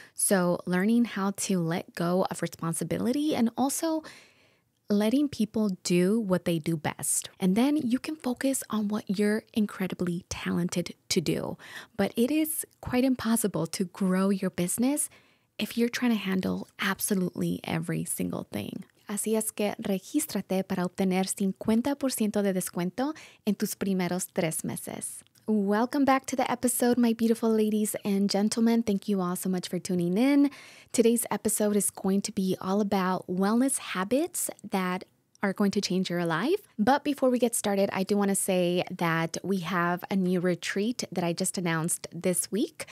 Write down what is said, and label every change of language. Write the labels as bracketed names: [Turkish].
[English] So learning how to let go of responsibility and also letting people do what they do best. And then you can focus on what you're incredibly talented to do. But it is quite impossible to grow your business if you're trying to handle absolutely every single thing. [Spanish] Así es que regístrate para obtener 50% de descuento en tus primeros tres meses. [English] Welcome back to the episode, my beautiful ladies and gentlemen. Thank you all so much for tuning in. Today's episode is going to be all about wellness habits that are going to change your life. But before we get started, I do want to say that we have a new retreat that I just announced this week.